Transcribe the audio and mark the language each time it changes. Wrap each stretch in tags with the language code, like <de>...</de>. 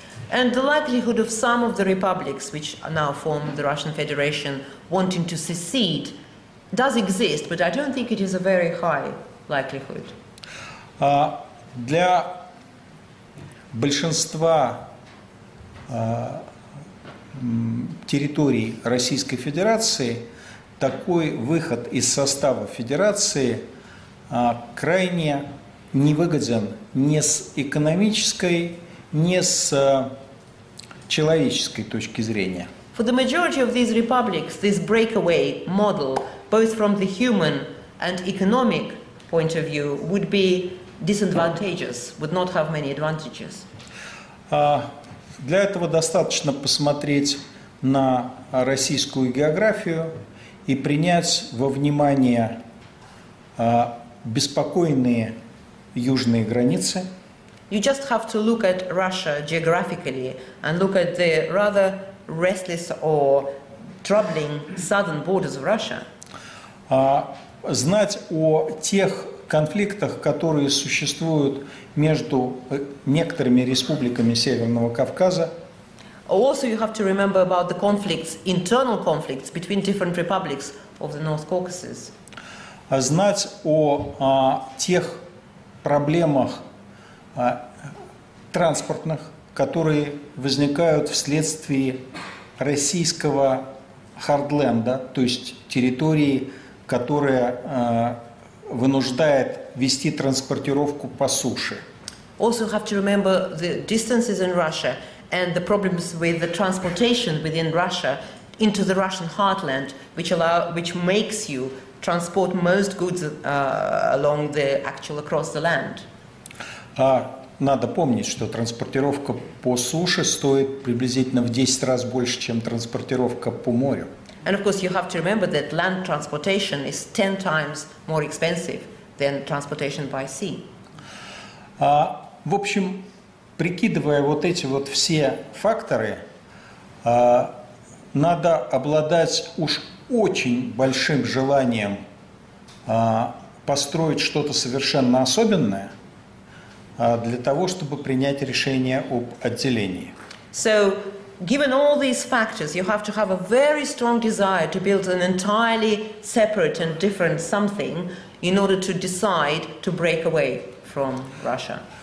<en>And the likelihood of some of the republics which now form the Russian Federation wanting to secede does exist, but I don't think it is a very high likelihood.</en> <ru>Для большинства территорий Российской Федерации такой выход из состава Федерации крайне невыгоден ни с экономической, ни с человеческой точки зрения.</ru> <en>For the majority of these republics, this breakaway model, both from the human and economic point of view, would be disadvantageous, would not have many advantages.</en> <ru>Для этого достаточно посмотреть на российскую географию и принять во внимание беспокойные южные границы.</ru> <en>You just have to look at Russia geographically and look at the rather restless or troubling southern borders of Russia.</en> <ru>Знать о тех конфликтах, которые существуют между некоторыми республиками Северного Кавказа.</ru> <en>Also, you have to remember about the conflicts, internal conflicts between different republics of the North Caucasus.</en> <ru>Знать о тех проблемах транспортных, которые возникают вследствие российского хардленда, то есть территории, которая вынуждает вести транспортировку по суше.</ru> <en>Also, you have to remember the distances in Russia and the problems with the transportation within Russia into the Russian heartland, which makes you transport most goods along the actual across the land.</en> <ru>Надо помнить, что транспортировка по суше стоит приблизительно в 10 раз больше, чем транспортировка по морю.</ru> <en>And of course, you have to remember that land transportation is 10 times more expensive than transportation by sea.</en> <ru>В общем, прикидывая вот эти вот все факторы, надо обладать уж очень большим желанием построить что-то совершенно особенное для того, чтобы принять решение об отделении.</ru> <en>So, given all these factors, you have to have a very strong desire to build an entirely separate and different something in order to decide to break away from Russia.</en>